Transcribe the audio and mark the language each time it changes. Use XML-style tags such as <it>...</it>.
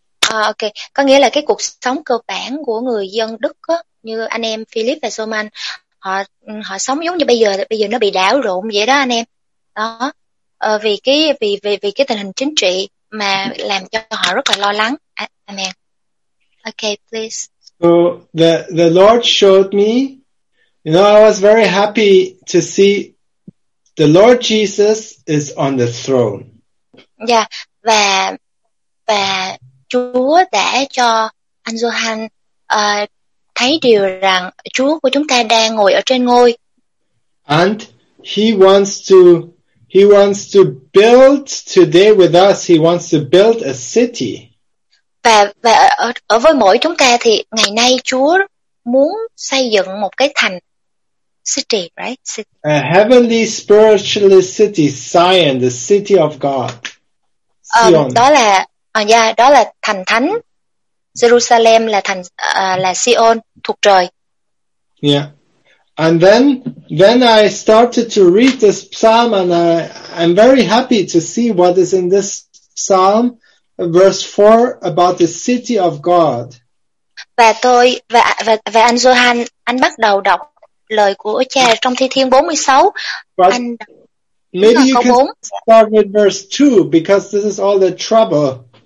<vi>Okay, có nghĩa là cái cuộc sống cơ bản của người dân Đức á, như anh em Philip và Soman, họ sống giống như bây giờ nó bị đảo lộn vậy đó anh em. Đó. Vì cái tình hình chính trị mà làm cho họ rất là lo lắng.</vi> <en>Amen. Okay, please. So the Lord showed me, you know, I was very happy to see the Lord Jesus is on the throne.</en> <vi>Yeah, và Chúa đã cho anh Johan thấy điều rằng Chúa của chúng ta đang ngồi ở trên ngôi.</vi> <en>And he wants to build today with us. He wants to build a city.</en> <vi>Và ở với mỗi chúng ta thì ngày nay Chúa muốn xây dựng một cái thành</vi> <en>city, right? City. A heavenly spiritual city, Zion, the city of God.</en> <vi>Đó là thành thánh. Jerusalem là thành là Sion thuộc trời.</vi> <en>Yeah. And then I started to read this psalm and I'm very happy to see what is in this psalm, verse 4, about the city of God.</en> <vi>Và anh Johan, anh bắt đầu đọc lời của cha trong Thi Thiên 46.</vi> <en>But maybe you can start with verse 2 because this is all the trouble.</en>